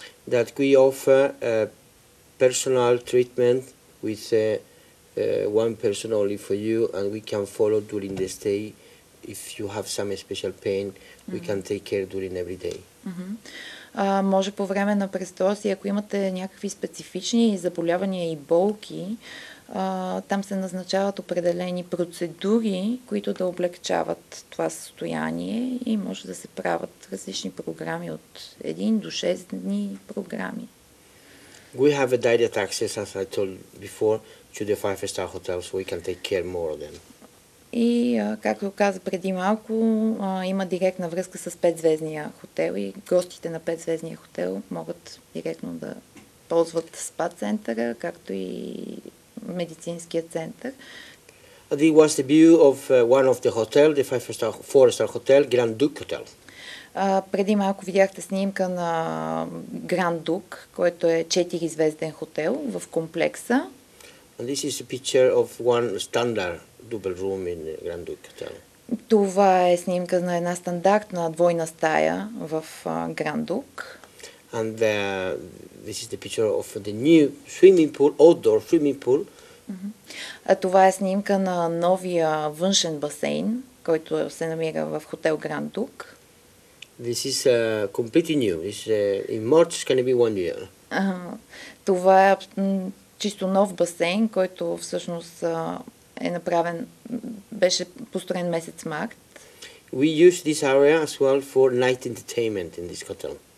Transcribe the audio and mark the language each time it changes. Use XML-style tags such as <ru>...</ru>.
<en>That we offer personal treatment with one person only for you and we can follow during the stay. If you have some special pain, we can take care during every day.</en> <bg>Може по време на престоя, ако имате някакви специфични заболявания и болки, Там се назначават определени процедури, които да облегчават това състояние и може да се правят различни програми от 1 до 6 дни програми.</bg> <en>We have a direct access, as I told before, to the 5-star hotels, so we can take care more of them.</en> <bg>И, както каза преди малко, има директна връзка с 5-звездния хотел и гостите на 5-звездния хотел могат директно да ползват спа центъра, както и медицинския център.</bg> <en>It was the view of one of the hotel, the 4-star hotel, Grand Duke Hotel.</en> <bg>Преди малко видяхте снимка на Grand Duke, който е 4-звезден хотел в комплекса.</bg> <en>And this is a picture of one standard double room in Grand Duke Hotel.</en> <bg>Това е снимка на една стандартна двойна стая в Grand Duke.</bg> <en>And this is the picture of the new swimming pool, outdoor swimming pool.</en> <bg>Това е снимка на новия външен басейн, който се намира в хотел Grand Duke.</bg> <en>This is completely new. This in March is going to be 1 year.</en> <bg>Това е чисто нов басейн, който всъщност е направен, беше построен месец март.</bg> <en>We use this area as well for night entertainment in this hotel.</en>